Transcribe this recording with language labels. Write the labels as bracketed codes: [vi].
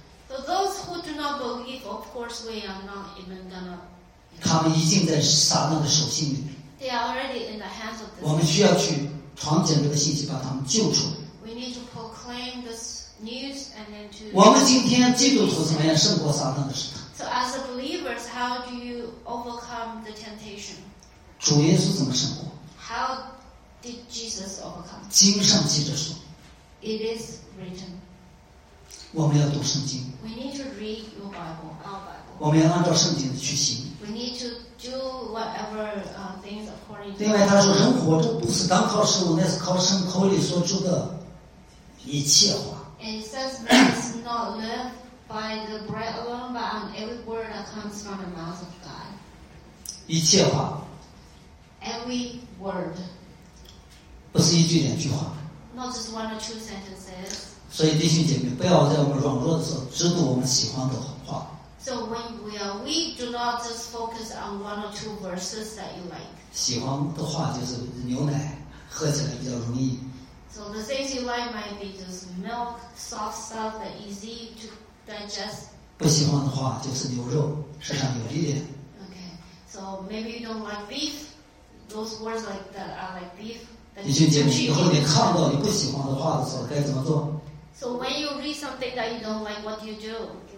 [en] So those who do not believe, of course, we are not even gonna. [zh] 他们已经在撒旦的手心里面。 [en] They are already in the hands of the. [zh] 我们需要去传讲这个信息，把他们救出来。 [en] We need to proclaim this news and then to. [zh] 我们今天基督徒怎么样胜过撒旦的试探 [en] ？So as believers, how do you overcome the temptation? [zh] 主耶稣怎么胜过 [en] ？How did Jesus overcome? [zh] 经上记着说。 [en] It is written. [zh] 我们要读圣经。 [en] We need to read your Bible, our Bible. [zh] 我们要按照圣经的去行。 [en] We need to do whatever things according to. [zh] 另外，他说：“人活着不是单靠食物，乃是靠神口里说出的一切话。” [en] And it says, "Man does not live by the bread alone, but on every word that comes from the mouth of God." [zh] 一切话。 [en] Every word. [zh] 不是一句两句话。 [en] Not just one or two sentences. [zh] 所以弟兄姐妹，不要在我们软弱的时候只读我们喜欢的话。 [en] So when we do not just focus on one or two verses that you like. [zh] 喜欢的话就是牛奶喝起来比较容易。 [en] So the things you like might be just milk, soft stuff that easy to digest. [zh] 不喜欢的话就是牛肉，身上有力量。 [en] Okay, so maybe you don't like beef. Those words like that are like beef. [zh] 你去检查以后，你看到你不喜欢的话的时候该怎么做 [en] ？So when you read something that you don't like, what do you do?